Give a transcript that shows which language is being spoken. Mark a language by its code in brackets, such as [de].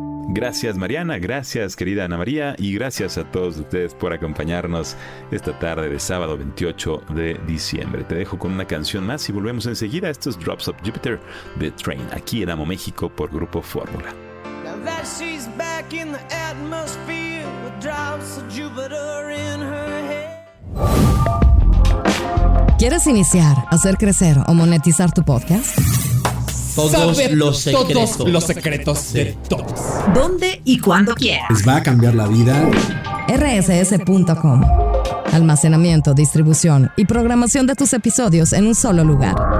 [es] Gracias, Mariana. Gracias, querida Ana María. Y gracias a todos ustedes por acompañarnos esta tarde de sábado 28 de diciembre. Te dejo con una canción más y volvemos enseguida. Esto es Drops of Jupiter de Train, aquí en Amo México por Grupo Fórmula. [en] Now that she's back in the atmosphere with drops of Jupiter in her head. [es] ¿Quieres iniciar, hacer crecer o monetizar tu podcast? Todos los secretos de todos. ¿Dónde y cuándo quieras? Les va a cambiar la vida. RSS.com. Almacenamiento, distribución y programación de tus episodios en un solo lugar.